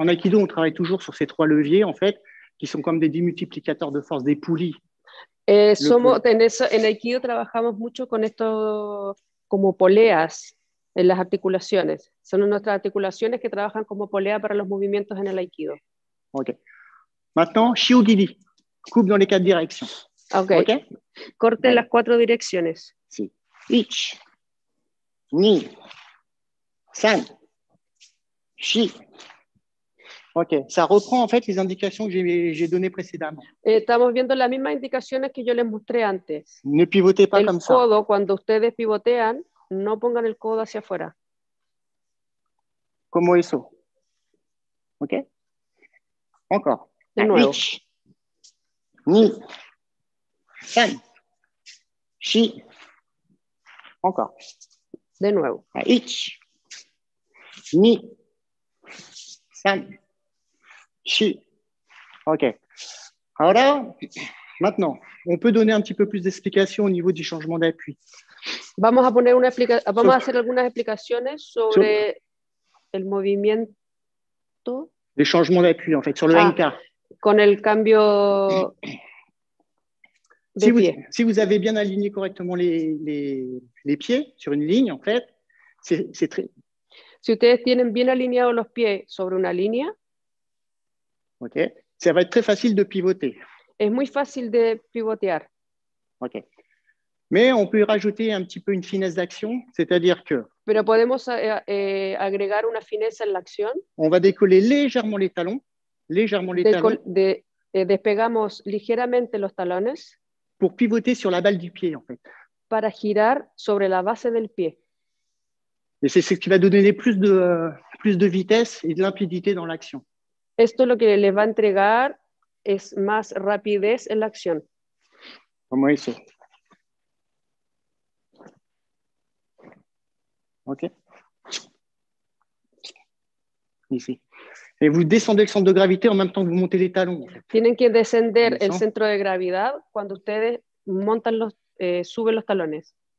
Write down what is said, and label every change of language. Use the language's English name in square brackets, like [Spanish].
[French] En aïkido, on travaille toujours sur ces trois leviers, en fait, qui sont comme des démultiplicateurs de force, des poulies. [Spanish] En aïkido, trabajamos mucho con esto como poleas en las articulaciones. Son nuestras articulaciones que trabajan como polea para los movimientos en el aïkido. [French] Ok. Maintenant, shiugiri. Coupe dans les quatre directions. Ok. Okay? [Spanish] Corte en las cuatro direcciones. [Japanese] Sí. Ich. Ni. San. Shi. Ok. [French] Ça reprend en fait les indications que j'ai données précédemment. [Spanish] Estamos viendo las mismas indicaciones que yo les mostré antes. [French] Ne pivotez pas [Spanish] el [French] comme [Spanish] codo, [French] ça. [Spanish] El codo, cuando ustedes pivotean, no pongan el codo hacia afuera. Como eso. Ok. [French] Encore. [Spanish] De nuevo. Ich. [Japanese] Ni. San. Shi. [French] Encore. [Spanish] De nuevo. [Japanese] Ich. Ni. San. Shi. Ok. [Spanish] Ahora, [French] maintenant, on peut donner un petit peu plus d'explications au niveau du changement d'appui. [Spanish] Vamos a poner una explica- vamos a hacer algunas explicaciones sobre el movimiento. [French] Le changement d'appui, en fait, sur le Enka. [Spanish] Con el cambio... [French] Si vous avez bien aligné correctement les pieds sur une ligne, en fait, c'est très. [Spanish] Si ustedes tienen bien alineados los pies sobre una línea, [French] ok, ça va être très facile de pivoter. [Spanish] Es muy fácil de pivotear. [French] Ok, mais on peut y rajouter un petit peu une finesse d'action, c'est-à-dire que. [Spanish] Pero podemos agregar una fineza en la acción. [French] On va décoller légèrement les talons, [Spanish] Despegamos ligeramente los talones. [French] Pour pivoter sur la balle du pied, en fait. [Spanish] Para girar sobre la base del pie. [French] Et c'est ce qui va donner plus de vitesse et de limpidité dans l'action. [Spanish] Esto lo que les va a entregar es más rapidez en la acción. Como eso. Ok. [French] Ici. Et vous descendez le centre de gravité en même temps que vous montez les talons. [Spanish] Tienen que descender el centro de gravedad cuando ustedes montan suben los talones.